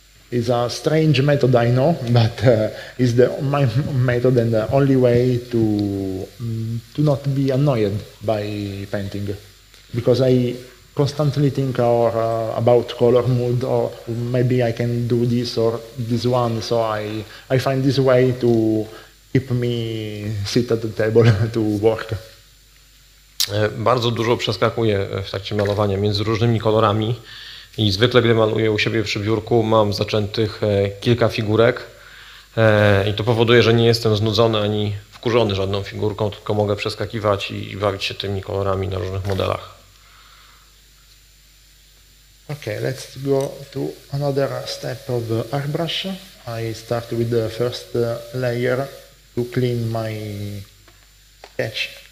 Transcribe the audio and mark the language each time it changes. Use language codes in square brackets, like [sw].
[en] It's a strange method, I know, but it's the my method and the only way to not be annoyed by painting, because I constantly think or about color mood, or maybe I can do this or this one. So I find this way to keep me sit at the table to work. [pl] Bardzo dużo przeskakuję w trakcie malowania między różnymi kolorami i zwykle, gdy maluję u siebie przy biurku, mam zaczętych kilka figurek i to powoduje, że nie jestem znudzony ani wkurzony żadną figurką, tylko mogę przeskakiwać i bawić się tymi kolorami na różnych modelach. [en] Okay, let's go to another step of airbrush. I start with the first layer to clean my sketch.